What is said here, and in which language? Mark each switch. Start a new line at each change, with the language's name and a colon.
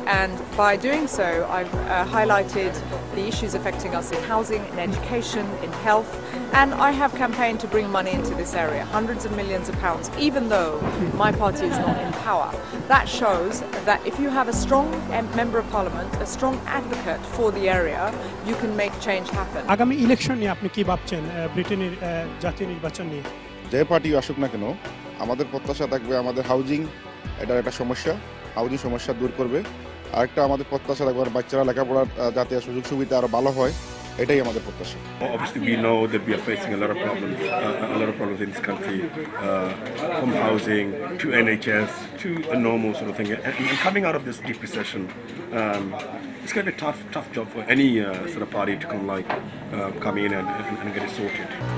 English: And by doing so, I've highlighted the issues affecting us in housing, in education, in health, and I have campaigned to bring money into this area, hundreds of millions of pounds, even though my party is not in power. That shows that if you have a strong member of parliament, a strong advocate for the area, you can make change happen.
Bangla: আগামী election নিয়ে আপনি কি ভাবছেন ব্রিটেনের জাতীয় নির্বাচন নিয়ে? যে পার্টি আসুক না কেন, আমাদের প্রত্যাশা থাকবে আমাদের হাউজিং এটা একটা সমস্যা, হাউজিং সমস্যা দূর করবে। আরেকটা আমাদের প্রত্যাশা থাকবে বাচ্চারা লেখাপড়ার জাতীয় সুযোগ সুবিধা আরো ভালো হয়, এটাই আমাদের প্রত্যাশা।
English: Obviously we know that we are facing a lot of problems in this country, from housing to NHS to a normal sort of thing, and coming out of this deep recession, it's going to be a tough job for any sort of party to come in and get it sorted.